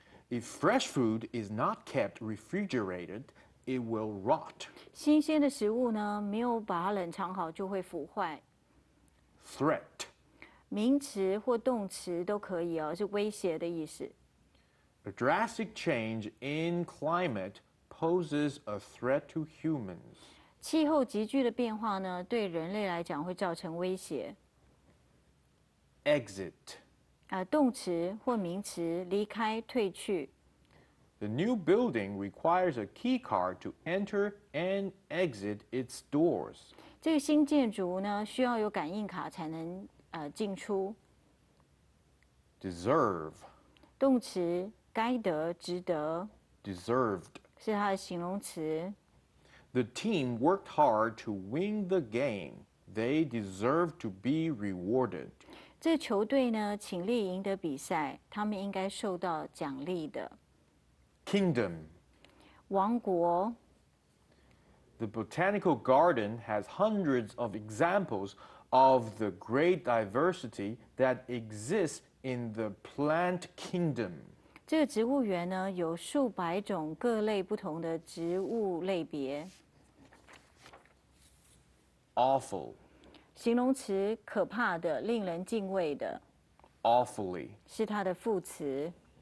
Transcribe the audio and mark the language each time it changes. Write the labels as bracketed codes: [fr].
[en] If fresh food is not kept refrigerated, it will rot. [zh] 新鲜的食物呢，没有把它冷藏好就会腐坏。 [en] Threat. [zh] 名词或动词都可以哦，是威胁的意思。 [en] A drastic change in climate poses a threat to humans. [zh] 气候急剧的变化呢，对人类来讲会造成威胁。 [en] Exit. [zh] 动词或名词，离开、退去。 [en] The new building requires a key card to enter and exit its doors. [zh] 这个新建筑呢，需要有感应卡才能进出。 [en] Deserve. [zh] 动词该得、值得， [en] Deserved. [zh] 是它的形容词。 [en] The team worked hard to win the game. They deserve to be rewarded. [zh] 这球队呢，倾力赢得比赛，他们应该受到奖励的。 [en] Kingdom. [zh] 王国。 [en] The botanical garden has hundreds of examples of the great diversity that exists in the plant kingdom. [zh] 这个植物园呢，有数百种各类不同的植物类别。 [en] Awful. [zh] 形容词，可怕的，令人敬畏的， [en] Awfully. [zh] 是它的副词。